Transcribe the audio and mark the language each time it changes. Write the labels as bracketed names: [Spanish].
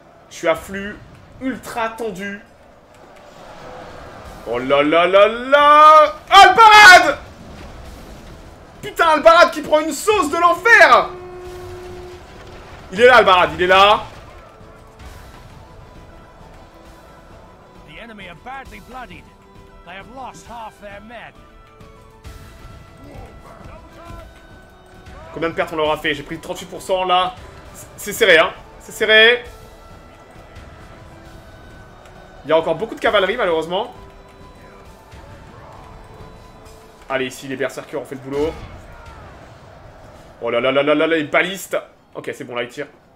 [French] Je suis à flux ultra tendu. Oh là là là là. Albarad. Putain, Albarad qui prend une sauce de l'enfer. Il est là, Albarad, il est là. [English] The enemy are badly bloodied. They have lost half their men. [French] Combien de pertes on leur a fait? J'ai pris 38% là. C'est serré, hein. C'est serré. Il y a encore beaucoup de cavalerie, malheureusement. Allez, ici, les berserkers ont fait le boulot. Oh là là là là là, les balistes. Ok, c'est bon, là, ils tirent.